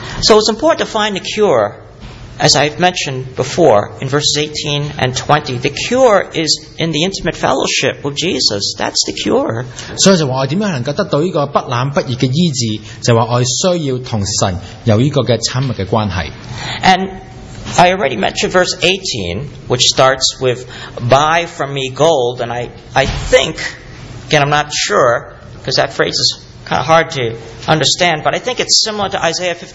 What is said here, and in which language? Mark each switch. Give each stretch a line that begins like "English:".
English: So it's important to find the cure, as I've mentioned before in verses 18 and 20. The cure is in the intimate fellowship with Jesus. That's the cure.
Chinese: 所以就说，我怎样能够得到这个不冷不热的医治，就是说我需要同神有这个亲密的关系。
English: And I already mentioned verse 18, which starts with, buy from me gold, and I think, again I'm not sure, because that phrase is kind of hard to understand, but I think it's similar to Isaiah